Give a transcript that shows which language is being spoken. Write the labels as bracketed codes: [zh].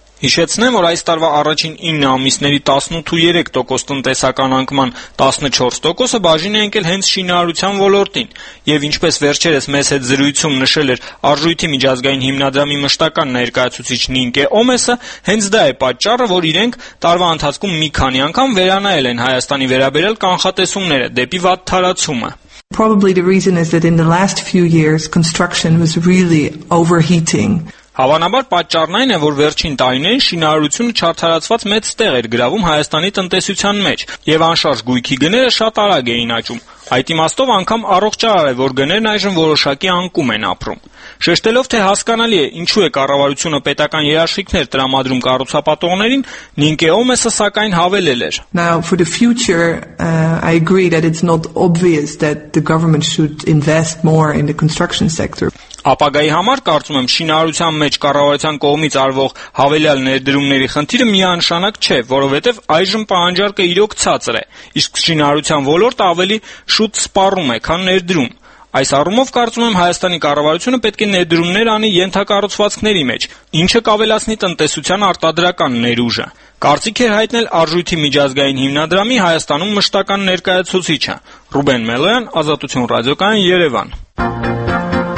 [hy] Հիշեցնեմ, որ այս տարվա առաջին 9 ամիսների 18.3% տնտեսական անկման 14%-ը բաժին է ընկել հենց շինարարության ոլորտին, եւ ինչպես վերջերս մեզ հետ զրույցում նշել էր Արժույթի միջազգային հիմնադրամի մշտական ներկայացուցիչ Նինկե Օմեսը, հենց դա է պատճառը, որ իրենք տարվա ընթացքում մի քանի անգամ վերանայել են Հայաստանի վերաբերյալ կանխատեսումները դեպի վատ տարածումը։ [en] Probably the reason is that in the last few years construction was really overheating. [hy] Հավանաբար պատճառն այն է, որ վերջին տարիներին շինարարությունը չարդարացված մեծ տեղ էր գրավում Հայաստանի տնտեսության մեջ, և անշարժ գույքի գները շատ արագ էին աճում։ Այդ իմաստով անգամ առողջարար է, որ գներն այժմ որոշակի անկում են ապրում։ Շեշտելով, թե հասկանալի է, ինչու է կառավարությունը պետական երաշխիքներ տրամադրում կառուցապատողներին, Նինկե Օմեսը սակայն հավելել էր. [en] Now for the future, I agree that it's not obvious that the government should invest more in the construction sector. [hy] Ապագայի համար կարծում եմ, շինարարության մեջ կառավարության կողմից արվող հավելյալ ներդրումների խնդիրը միանշանակ չէ, որովհետև այժմ պահանջարկը իրոք ցածր է, իսկ շինարարության ոլորտը ավելի շուտ սպառում է, քան ներդրում։ Այս առումով կարծում եմ, Հայաստանի կառավարությունը պետք է ներդրումներ անի ենթակառուցվածքների մեջ, ինչը կավելացնի տնտեսության արտադրական ներուժը։ Կարծիք էր հայտնել Արժույթի միջազգային հիմնադրամի Հայաստանում մշտական ներկայացուցիչը՝ Ռուբեն Մելոյան, Ազատություն ռադիոկայան, Երևան։